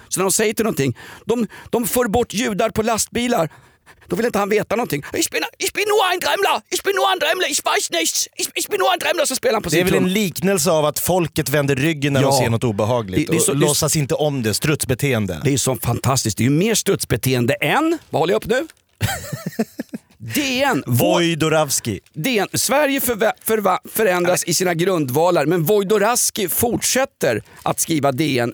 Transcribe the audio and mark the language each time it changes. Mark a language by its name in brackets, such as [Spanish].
[Swedish] Så när de säger till någonting, de för bort judar på lastbilar. Då vill inte han veta någonting. [German] Ich bin nur ein Drämmler, ich weiß nichts. Ich bin nur ein Drämmler, [Swedish] så spelar han på sin trumma. Det är väl en liknelse av att folket vänder ryggen när de ser något obehagligt. Låtsas inte om det, strutsbeteende. Det är så fantastiskt, det är ju mer strutsbeteende än... Vad håller jag upp nu? DN. Vojdoravski. DN. Sverige förändras i sina grundvalar, men Vojdoravski fortsätter att skriva DN.